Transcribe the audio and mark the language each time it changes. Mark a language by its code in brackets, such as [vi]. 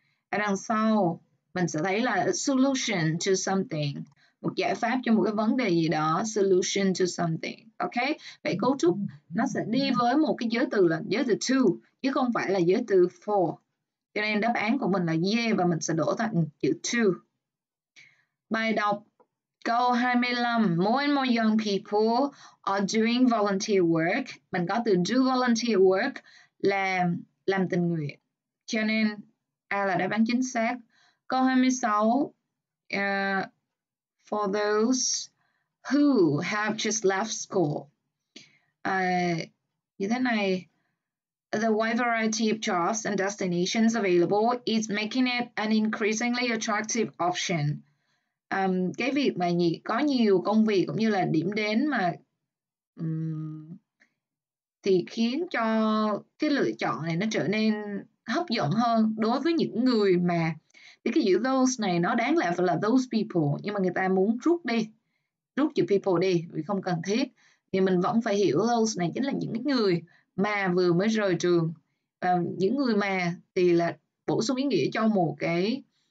[vi] Ở đằng sau, mình sẽ thấy là [en] solution to something. [vi] Một giải pháp cho một cái vấn đề gì đó. [en] Solution to something. [vi] Ok? Vậy cấu trúc nó sẽ đi với một cái giới từ là giới từ to, chứ không phải là giới từ for. Cho nên đáp án của mình là yeah và mình sẽ đổ thành chữ to. Bài đọc câu 25. [en] More and more young people are doing volunteer work. [vi] Mình có từ [en] do volunteer work [vi] là làm tình nguyện. Cho nên A là đáp án chính xác. Câu 26. [en] For those who have just left school. [vi] Như thế này. [en] The wide variety of jobs and destinations available is making it an increasingly attractive option. [vi] Cái việc mà có nhiều công việc cũng như là điểm đến mà thì khiến cho cái lựa chọn này nó trở nên hấp dẫn hơn đối với những người mà thì cái chữ those này nó đáng lẽ phải là [en] those people, [vi] nhưng mà người ta muốn rút đi, rút chữ people đi vì không cần thiết, thì mình vẫn phải hiểu those này chính là những người mà vừa mới rời trường, và những người mà thì là bổ sung ý nghĩa cho một cái